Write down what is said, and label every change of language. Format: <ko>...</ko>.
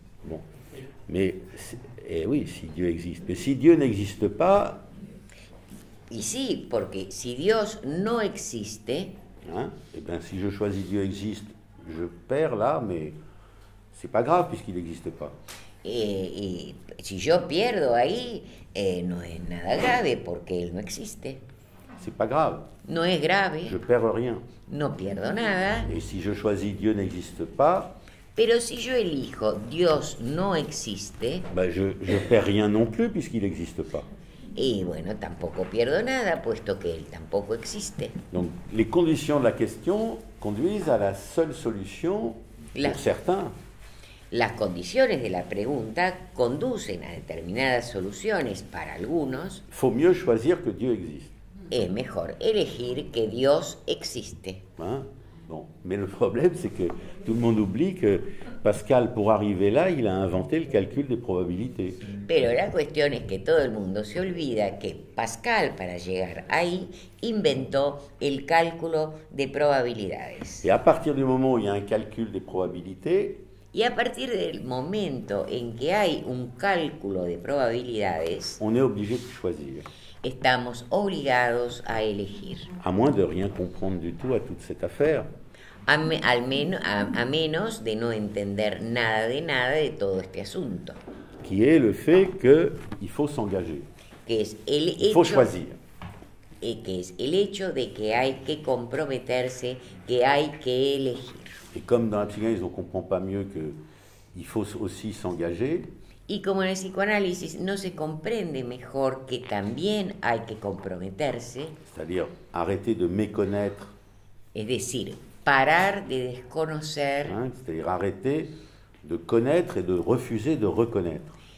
<fr>Bon, mais Eh oui, si Dieu existe. Mais si Dieu n'existe pas...</fr> <es>Y sí, porque si Dios no existe...</es> <fr>Hein, eh bien, si je choisis Dieu existe, je perds là, mais c'est pas grave puisqu'il n'existe pas.</fr> <es>Y si yo pierdo ahí, no es nada grave porque él no existe.</es> <fr>C'est pas grave.</fr> <es>No es grave.</es> <fr>Je perds rien.</fr> <es>No pierdo nada.</es> <fr>Et si je choisis Dieu n'existe pas...</fr> <es>Pero si yo elijo Dios no existe.</es> <fr>Ben je perds rien non plus puisqu'il n'existe pas.</fr> <es>Y bueno, tampoco pierdo nada puesto que él tampoco existe.</es> <fr>Donc les conditions de la question conduisent à la seule solution pour certains.</fr> <es>Las condiciones de la pregunta conducen a determinadas soluciones para algunos.</es> <fr>Faut mieux choisir que Dieu existe.</fr> <es>Es mejor elegir que Dios existe. Hein?</es> <fr>Bon, mais le problème, c'est que tout le monde oublie que Pascal, pour arriver là, il a inventé le calcul des probabilités.</fr> <es>Pero la cuestión es que todo el mundo se olvida que Pascal, para llegar ahí, inventó el cálculo de probabilidades.</es> <fr>Et à partir du moment où il y a un calcul des probabilités,</fr> <es>y a partir del momento en que hay un cálculo de probabilidades,</es> <fr>on est obligé de choisir.</fr> <es>Estamos obligados a elegir.</es> <fr>À moins de rien comprendre du tout à toute cette affaire.</fr> <es>A menos de no entender nada de nada de todo este asunto.</es> <fr>Qui est le fait qu'il faut s'engager.</fr> <es>Que es el hecho,</es> <fr>il faut choisir.</fr> <es>Et que es el hecho de que hay que comprometerse, que hay que elegir.</es> <fr>Et comme dans la psychanalyse, on ne comprend pas mieux qu'il faut aussi s'engager.</fr> <es>Y como en el psicoanálisis no se comprende mejor que también hay que comprometerse.</es> <fr>C'est-à-dire arrêter de méconnaître.</fr> <es>Es decir, parar de desconocer.</es> <fr>Hein, c'est-à-dire arrêter de connaître et de refuser de reconnaître.</fr>